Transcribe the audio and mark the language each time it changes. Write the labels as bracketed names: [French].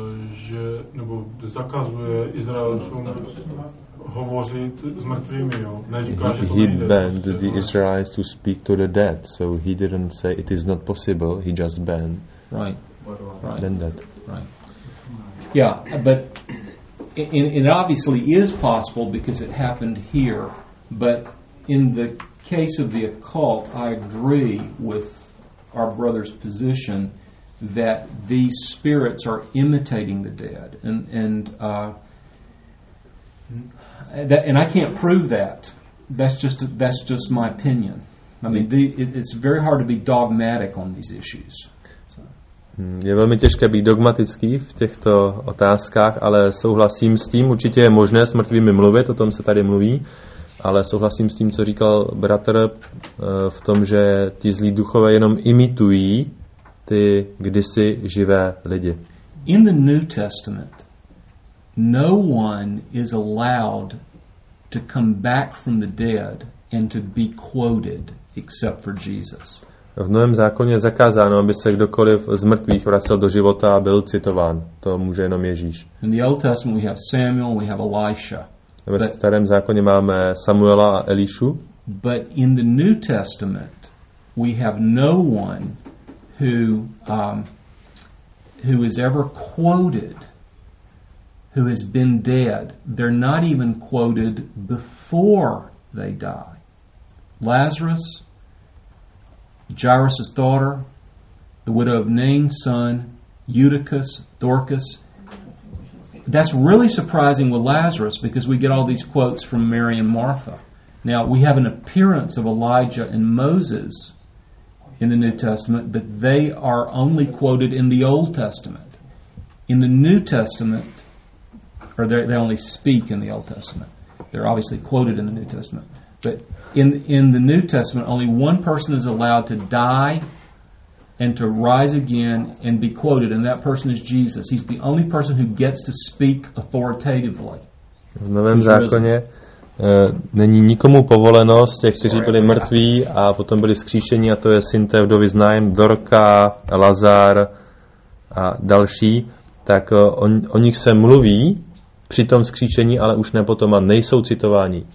[Czech] že nebo zakazuje Izraelcům hovořit s mrtvými, jo. Neříká, že to nejde. [English] He banned the Israelites to speak to the dead, so he didn't say it is not possible, he just banned. Right. Then that. Right. Yeah, but it obviously is possible because it happened here, but in the case of the occult, I agree with our brother's position that these spirits are imitating the dead, and I can't prove that. That's just my opinion. I mean, it's very hard to be dogmatic on these issues. [Czech] Je velmi těžké být dogmatický v těchto otázkách, ale souhlasím s tím. Určitě je možné s mrtvými mluvit, o tom se tady mluví. Ale souhlasím s tím, co říkal bratr v tom, že ty zlí duchové jenom imitují ty kdysi živé lidi. [English] In the New Testament, no one is allowed to come back from the dead and to be quoted except for Jesus. [Czech] V Novém zákoně je zakázáno, aby se kdokoliv z mrtvých vracel do života a byl citován. To může jenom Ježíš. [English] In the Old Testament we have Samuel, we have Elisha. [Czech] Ve starém zákoně máme Samuela a Elišu. [English] But in the New Testament we have no one who is ever quoted who has been dead. They're not even quoted before they die. Lazarus, Jairus' daughter, the widow of Nain's son, Eutychus, Dorcas. That's really surprising with Lazarus because we get all these quotes from Mary and Martha. Now, we have an appearance of Elijah and Moses in the New Testament, but they are only quoted in the Old Testament. In the New Testament, or they only speak in the Old Testament. They're obviously quoted in the New Testament. But in the New Testament, only one person is allowed to die and to rise again and be quoted, and that person is Jesus. He's the only person who gets to speak authoritatively. [Czech] V Novém zákoně není nikomu povoleno z těch, kteří byli mrtví a potom byli vzkříšeni, a to je syn té vdovy z Nain, Dorka, Lazar a další, tak o nich se mluví při tom vzkříšení, ale už ne potom a nejsou citováni.